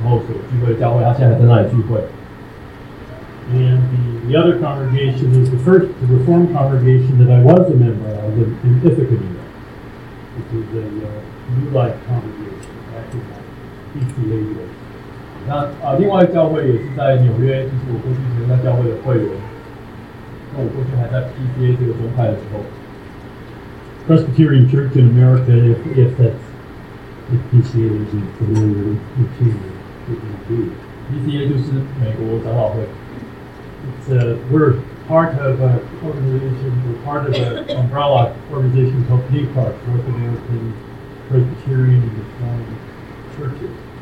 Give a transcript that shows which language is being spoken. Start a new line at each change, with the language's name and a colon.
Chinese: 房间让我想到，在纽约的一个教会，就是我女儿在那边念大学的时候所聚会的教会，她现在还在那里聚会。
English: And the other congregation is the first Reformed congregation that I was a member of in Ithaca, New York, which is a New Life congregation back in
Chinese: PCA。那另外教会也是在纽约，就是我过去曾经在教会的会员。那我过去还在 PCA 这个宗派的时候。
English: Presbyterian Church in America, if PCA isn't familiar with you, it would be.
Chinese: PCA 就是美国长老会.
English: It's we're part of an organization, we're part of an umbrella organization called PCAR, North American Presbyterian and Reformed Churches.